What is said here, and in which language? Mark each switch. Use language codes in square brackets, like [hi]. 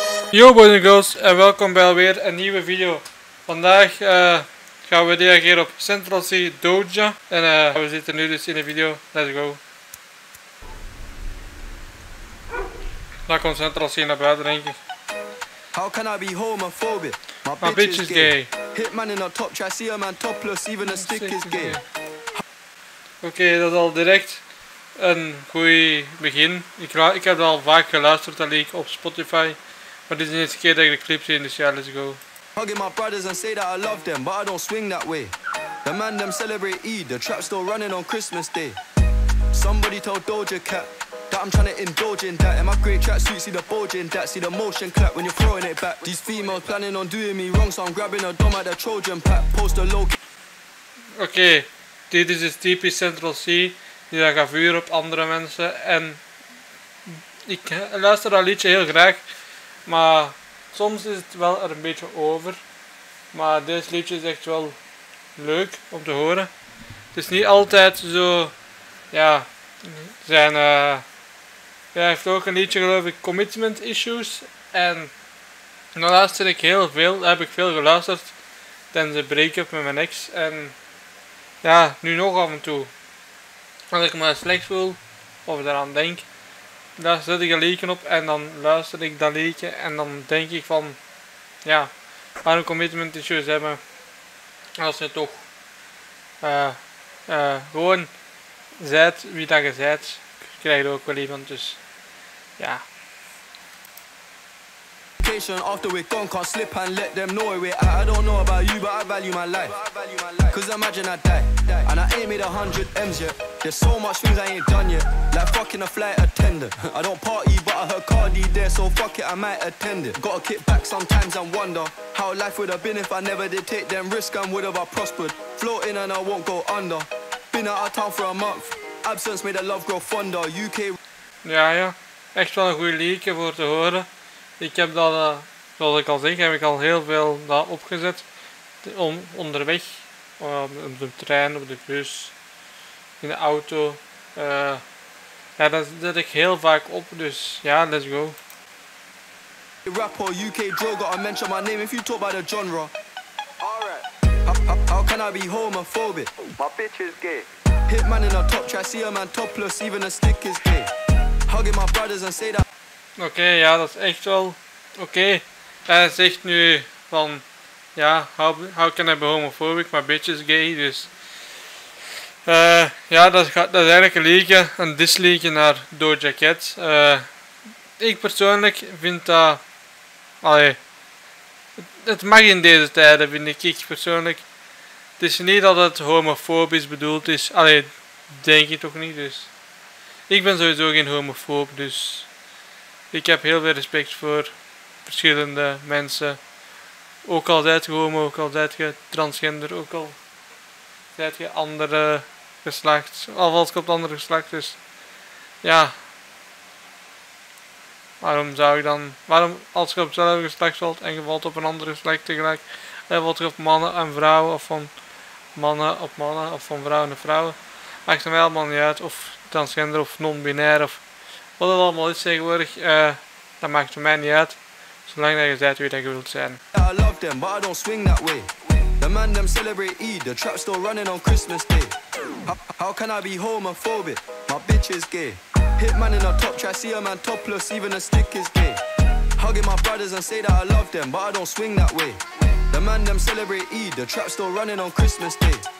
[en] Yo boys and girls [nl] en welkom bij alweer een nieuwe video. Vandaag gaan we reageren op Central Sea Doja. En we zitten nu dus in de video. [en] Let's go. [nl] Daar komt Central Sea naar buiten, denk ik. [en] How can I be homophobic? My bitch is gay. Hit man in a top, try see a man topless, even a stick is gay. [nl] Oké, dat is al direct een goed begin. Ik heb al vaak geluisterd dat ik op Spotify. Maar dit is niet de keer dat ik de clip zie in de show, [en] let's go. Hugging my brothers and say that I love them, but I don't swing that way. The man them celebrate Eid, the trap still running on Christmas Day. Somebody tell Doja Cat. That I'm tryna indulge in that. In my great tracksuit, see the bulge in that. See the motion clap when you're throwing it back. These females planning on doing me wrong, so I'm grabbing a dom at the Trojan pack. Post a low. [nl] Oké, dit is typisch Central Sea. Die dan gaat vuur op andere mensen. En ik luister dat liedje heel graag. Maar soms is het wel er een beetje over. Maar dit liedje is echt wel leuk om te horen. Het is niet altijd zo. Ja, zijn. Hij heeft ook een liedje, geloof ik, Commitment Issues. En de laatste ik heel veel, heb ik veel geluisterd tijdens de break-up met mijn ex. En ja, nu nog af en toe. Als ik me slecht voel of eraan denk, daar zet ik een liedje op en dan luister ik dat liedje. En dan denk ik van, ja, waarom Commitment Issues hebben als je toch gewoon zijt wie dat je zijt. Krijg je ook wel iemand, dus ja. [en] After we gone, can't slip and let them know it. I don't know about you, but I value my life. Cause imagine I die, and I ain't made 100 M's yet. There's so much things I ain't done yet. Like fucking a flight attendant. I don't party, but I heard Cardi there, so fuck it, I might attend it. Gotta kick back sometimes and wonder how life would have been if I never did take them risks and would have prospered. Floating and I won't go under. Been out of town for a month. Absence made the love grow fonder, UK. [nl] Ja, echt wel een goeie liedje voor te horen. Ik heb dat, zoals ik al zeg, heb ik al heel veel dat opgezet. Onderweg, op de trein, op de bus, in de auto. Ja, dat zet ik heel vaak op, dus ja, [en] let's go. Rapper, UK droger, I mention my name if you talk about the genre. Alright. How can I be homophobic? My bitch is gay. Hit man in a top try, see a man topless, even a stick is gay. Hugging my brothers and say that. [nl] Oké, ja, dat is echt wel. Oké. Hij zegt nu van. Ja, [en] how can I be homophobic? My bitch is gay. [nl] Dus. Dat is eigenlijk een liedje. Een disliedje naar Doja Cat. Ik persoonlijk vind dat. Het mag in deze tijden, vind ik. Ik persoonlijk. Het is niet dat het homofobisch bedoeld is. Allee, denk je toch niet? Dus. Ik ben sowieso geen homofoob, dus. Ik heb heel veel respect voor verschillende mensen. Ook al zijt je homo, ook al zijt je transgender, ook al zijt je andere geslacht. Of als ik op het andere geslacht, dus. Ja. Waarom zou ik dan. Waarom als je op hetzelfde geslacht valt en je valt op een andere geslacht tegelijk. En valt je op mannen en vrouwen, of van mannen op mannen, of van vrouwen naar vrouwen. Maakt het mij allemaal niet uit, of transgender of non-binair, of. Wat het allemaal is tegenwoordig, dat maakt het mij niet uit. Zolang dat je zijt wie dat je wilt zijn. [en] I love them, but I don't swing that way. The man them celebrate Eid, the trap still running on Christmas Day. How can I be homophobic? My bitch is gay. Hit man in a top try, see a man topless, even a stick is gay. Hugging my brothers and say that I love them, but I don't swing that way. The man them celebrate Eid, the trap still running on Christmas Day.